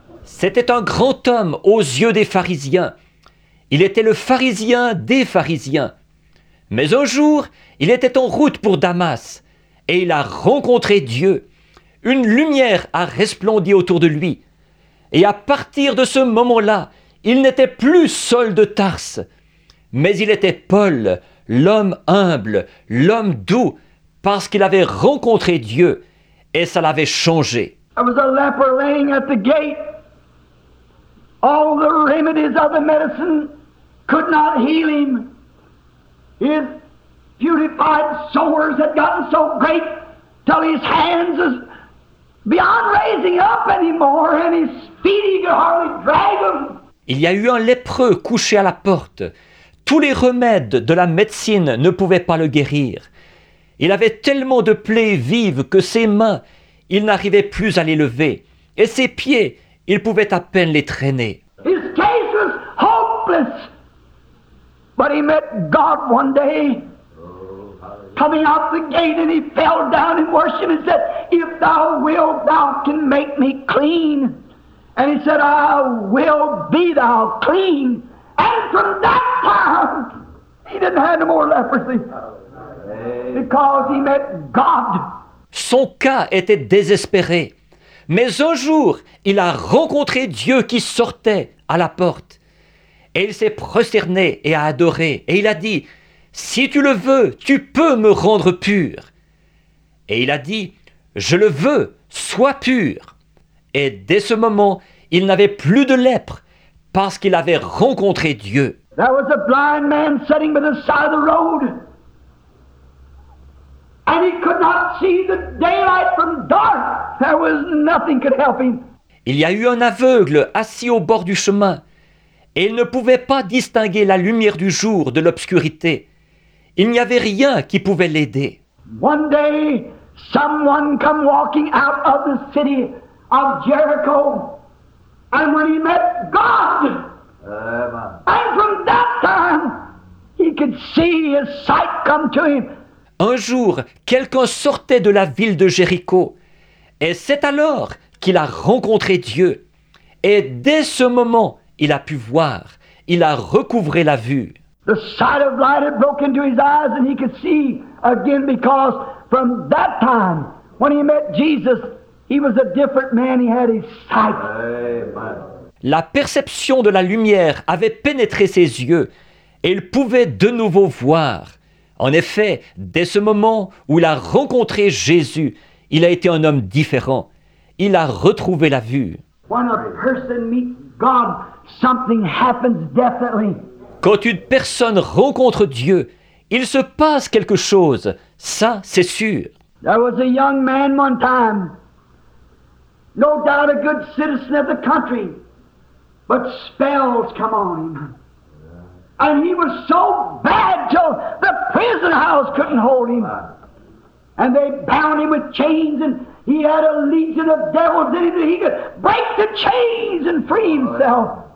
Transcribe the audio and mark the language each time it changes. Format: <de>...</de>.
<fr>C'était un grand homme aux yeux des pharisiens. Il était le pharisien des pharisiens. Mais un jour, il était en route pour Damas et il a rencontré Dieu. Une lumière a resplendi autour de lui. Et à partir de ce moment-là, il n'était plus Saul de Tarse, mais il était Paul, l'homme humble, l'homme doux, parce qu'il avait rencontré Dieu et ça l'avait changé.</fr> <en>I was a leper laying at the gate. All the remedies of the medicine could not heal him. His putrefied sores had gotten so great till his hands was beyond raising up anymore and his feet he could hardly drag them.</en> <fr>Il y a eu un lépreux couché à la porte. Tous les remèdes de la médecine ne pouvaient pas le guérir. Il avait tellement de plaies vives que ses mains, il n'arrivait plus à les lever. Et ses pieds, il pouvait à peine les traîner.</fr> <en>His case was hopeless. But he met God one day, coming out the gate, and he fell down in worship and said, If thou wilt, thou can make me clean. And he said, I will be thou clean. And from that time, he didn't have no more leprosy. Because he met God.</en> <fr>Son cas était désespéré. Mais un jour, il a rencontré Dieu qui sortait à la porte. Et il s'est prosterné et a adoré. Et il a dit, « Si tu le veux, tu peux me rendre pur. » Et il a dit, « Je le veux, sois pur. » Et dès ce moment, il n'avait plus de lèpre parce qu'il avait rencontré Dieu.</fr> <en>There was a blind man sitting by the side of the road. And he could not see the daylight from dark. There was nothing could help him.</en> <fr>Il y a eu un aveugle assis au bord du chemin. Et il ne pouvait pas distinguer la lumière du jour de l'obscurité. Il n'y avait rien qui pouvait l'aider.</fr> <en>One day, someone came walking out of the city of Jericho. And when he met God, and from that time, he could see his sight come to him.</en> <fr>Un jour, quelqu'un sortait de la ville de Jéricho. Et c'est alors qu'il a rencontré Dieu. Et dès ce moment, il a pu voir. Il a recouvré la vue.</fr> <en>The sight of light had broken into his eyes and he could see again because from that time, when he met Jesus, he was a different man. He had his sight. Amen.</en> <fr>La perception de la lumière avait pénétré ses yeux et il pouvait de nouveau voir. En effet, dès ce moment où il a rencontré Jésus, il a été un homme différent. Il a retrouvé la vue.</fr> <en>When a person meets God, something happens definitely.</en> <fr>Quand une personne rencontre Dieu, il se passe quelque chose, ça c'est sûr.</fr> <en>There was a young man one time, no doubt a good citizen of the country, but spells come on him. And he was so bad till the prison house couldn't hold him. And they bound him with chains and he had a legion of devils in him that he could break the chains and free himself.</en>